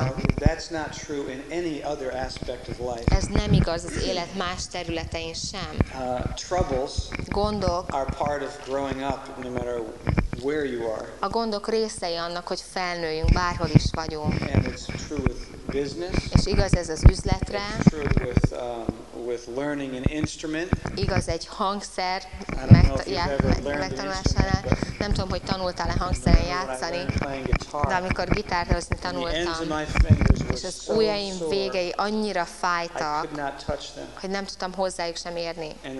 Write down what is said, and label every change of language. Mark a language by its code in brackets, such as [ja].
[en] Now, that's not true in any other aspect of life. [hu] Ez nem igaz az élet más területein sem. [en] Troubles [hu] gondok [en] are part of growing up, no matter where you are. [hu] A gondok részei annak, hogy felnőjünk, bárhol is vagyunk. [en] And it's true with business. [hu] És igaz ez az üzletre. [en] It's true with learning an instrument. [hu] Igaz egy hangszer megtanulására. Nem tudom, hogy tanultál-e hangszeren játszani, de amikor gitárt hozni tanultam, és az ujjaim végei annyira fájtak, hogy nem tudtam hozzájuk sem érni.